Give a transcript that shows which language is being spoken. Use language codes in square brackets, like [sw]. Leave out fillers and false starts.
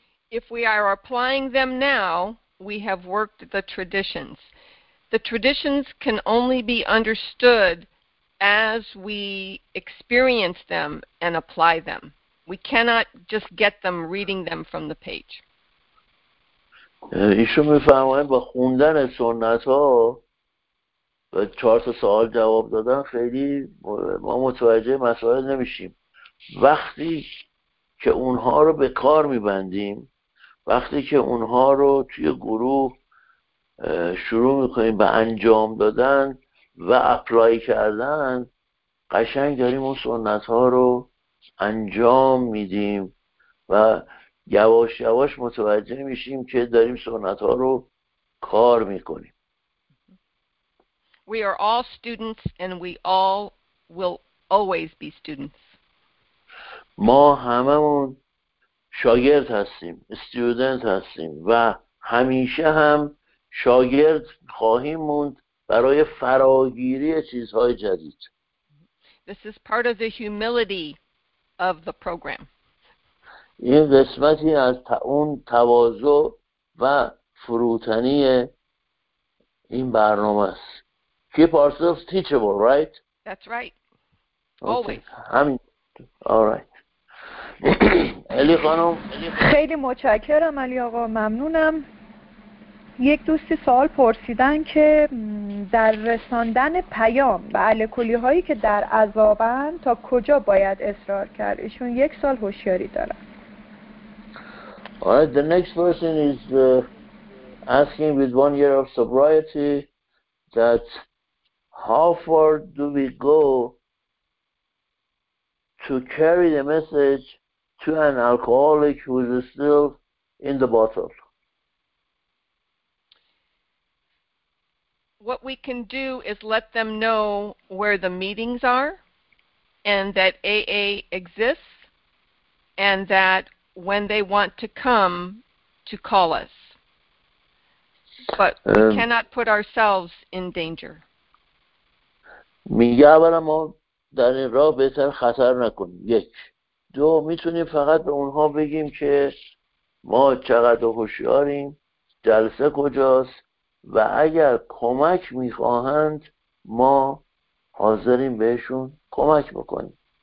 [en] If we are applying them now, we have worked the traditions. The traditions can only be understood as we experience them and apply them. We cannot just get them reading them from the page. [fa] ایشون میفرماین با خوندن سنت ها و 4 تا سوال جواب دادن خیلی ما متوجه مسائل نمیشیم. وقتی که اونها رو به کار میبندیم، وقتی که اونها رو توی گروه شروع میکنیم به انجام دادن و اپلای کردن، قشنگ داریم اون سنت ها رو انجام میدیم و یواش یواش متوجه میشیم که داریم سنت ها رو کار میکنیم. [en] We are all students and we all will always be students. [fa] ما هممون شاگرد هستیم، استودنت هستیم و همیشه هم شاگرد خواهیم موند برای فراگیری چیزهای جدید. [en] This is part of the humility of the program. [fa] این قسمتی از اون تواضع و فروتنی این برنامه است. [en] Keep ourselves teachable, right? That's right. Always. [fa] همین. [en] All right. [fa] علی خانم. خیلی متشکرم علی آقا. ممنونم. یک دوستی سوال پرسیدن که در رساندن پیام به الکلی هایی که در عذابن تا کجا باید اصرار کرد؟ ایشون 1 سال هوشیاری دارن. [en] Alright, the next person is asking with 1 year of sobriety that how far do we go to carry the message to an alcoholic who is still in the bottle? What we can do is let them know where the meetings are and that AA exists and that when they want to come to call us, but we cannot put ourselves in danger. [fa] میگه اولا ما در این راه بهتر خطر نکنیم. 1. 2. میتونیم فقط به اونها بگیم که ما چقدر هوشیاریم، جلسه کجاست و اگر کمک میخواهند ما حاضریم بهشون کمک بکنیم.